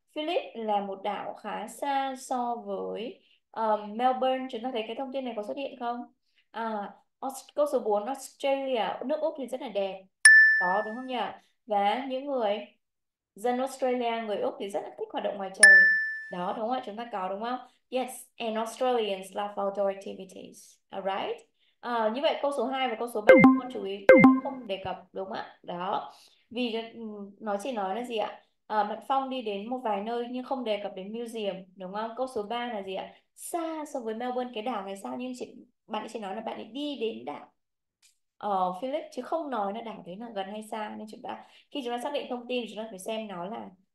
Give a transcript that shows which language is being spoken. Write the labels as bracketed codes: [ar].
[vi] Phillip là một đảo khá xa so với Melbourne. Chúng ta thấy cái thông tin này có xuất hiện không? Câu số 4, Australia, nước Úc thì rất là đẹp. Có đúng không nhỉ? Và những người dân Australia, người Úc thì rất là thích hoạt động ngoài trời. Đó đúng không ạ? Chúng ta có đúng không? [en] Yes, and Australians love outdoor activities. Alright. [vi] Như vậy câu số 2 và câu số 3 con chú ý không đề cập đúng không ạ? Đó. Vì nó chỉ nói là gì ạ? Bạn Phong đi đến một vài nơi nhưng không đề cập đến museum đúng không? Câu số 3 là gì ạ? Xa so với Melbourne, cái đảo này xa nhưng bạn ấy chỉ nói là bạn ấy đi đến đảo Phillip chứ không nói là đảo đấy là gần hay xa, nên chúng ta khi chúng ta xác định thông tin chúng ta phải xem nó là